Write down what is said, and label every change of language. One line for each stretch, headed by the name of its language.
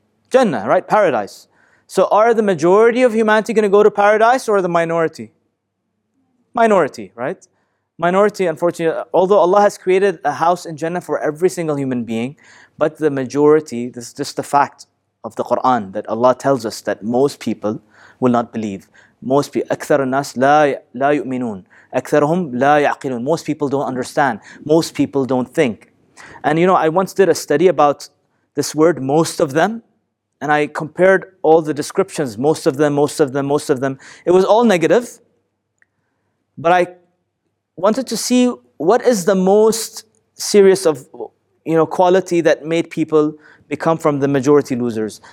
English: Jannah, right? Paradise. So are the majority of humanity going to go to paradise, or the minority? Minority, right? Minority, unfortunately, although Allah has created a house in Jannah for every single human being, but the majority, this is just the fact of the Quran, that Allah tells us that most people will not believe. Most people,
Arabic: أكثر الناس لا يؤمنون. أكثرهم لا يعقلون.
English: Most people don't understand. Most people don't think. And you know, I once did a study about this word, most of them, and I compared all the descriptions, most of them, most of them, most of them. It was all negative. But I wanted to see what is the most serious of, you know, quality that made people become from the majority losers.